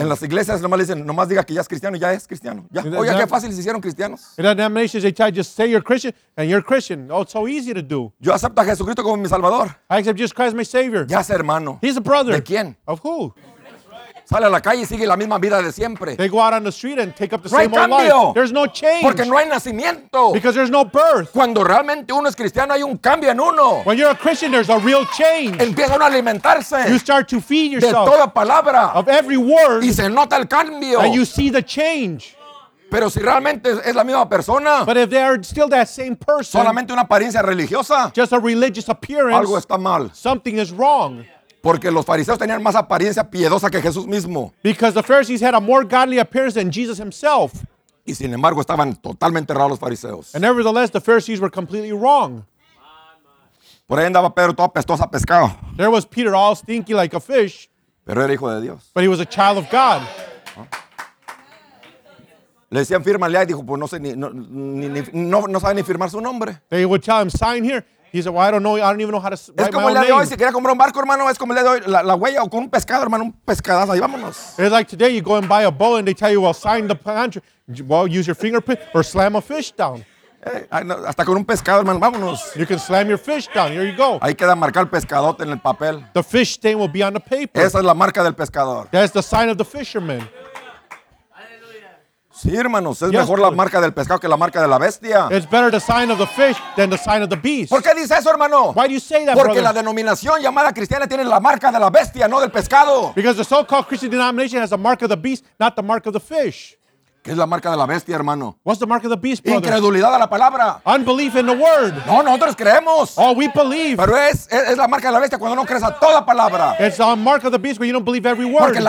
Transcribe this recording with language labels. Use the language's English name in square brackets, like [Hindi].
[Spanish] En las iglesias nomás dicen, nomás diga que ya es cristiano, ya es cristiano. Ya. Oye, qué fácil se hicieron cristianos. [English] In the denominations, they try to just say you're Christian, and you're Christian. Oh, it's so easy to do. [Spanish] Yo acepto a Jesucristo como mi Salvador. [English] I accept Jesus Christ as my Savior. [Spanish] Ya es hermano. [English] He's a brother. [Spanish] ¿De quién? [English] Of who? [Spanish] Sale a la calle y sigue la misma vida de siempre. [English] They go out on the street and take up the [Spanish] no [English] same [Spanish] cambio. [English] Old life. There's no change. [Spanish] Porque no hay nacimiento. [English] Because there's no birth. [Spanish] Cuando realmente uno es cristiano, hay un cambio en uno. [English] When you're a Christian, there's a real change. [Spanish] Empieza uno a alimentarse. [English] You start to feed yourself. [Spanish] De toda palabra. [English] Of every word. [Spanish] Y se nota el cambio. [English] And you see the change. [Spanish] Pero si realmente es la misma persona, [English] but if they are still that same person, [Spanish] solamente una apariencia religiosa, [English] just a religious appearance, [Spanish] algo está mal. [English] Something is wrong. [Spanish] Porque los fariseos tenían más apariencia piedosa que Jesús mismo. [English] Because the Pharisees had a more godly appearance than Jesus himself. [Spanish] Y sin embargo estaban totalmente errados los fariseos. [English] And nevertheless, the Pharisees were completely wrong. [Spanish] Por ahí andaba Pedro todo apestoso a pescado. [English] There was Peter all stinky like a fish. [Spanish] Pero era hijo de Dios. [English] But he was a child of God. [Spanish] Le decían fírmale ahí, dijo, pues no sé no sabe ni firmar su nombre. [English] They would tell him, sign here. He said, well, I don't even know how to write my own name. [Spanish] Si quería comprar un barco, hermano, es como le doy la huella o con un pescado, hermano, un pescadazo. Ahí vámonos. [English] It's like today you go and buy a boat and they tell you, well, sign the contract. Well, use your fingerprint or slam a fish down. [Spanish] Hey, hasta con un pescado, hermano, vámonos. [English] You can slam your fish down. Here you go. [Spanish] Ahí queda marcado el pescadote en el papel. [English] The fish stain will be on the paper. [Spanish] Esa es la marca del pescador. [English] That's the sign of the fisherman. [Spanish] Sí, hermanos, es mejor la marca del pescado que la marca de la bestia. [English] It's better the sign of the fish than the sign of the beast. [Spanish] ¿Por qué dice eso, hermano? [English] Why do you say that, brother? [Spanish] Porque la denominación llamada cristiana tiene la marca de la bestia, no del pescado. [English] Because the so-called Christian denomination has the mark of the beast, not the mark of the fish. [Spanish] ¿Qué es la marca de la bestia, hermano? [English] What's the mark of the beast, brother? [Spanish] Incredulidad a la palabra. [English] Unbelief in the word. [Spanish] No, nosotros creemos. [English] Oh, we believe. [Spanish] Pero es la marca de la bestia cuando no crees a toda palabra. [English] It's the mark of the beast when you don't believe every word.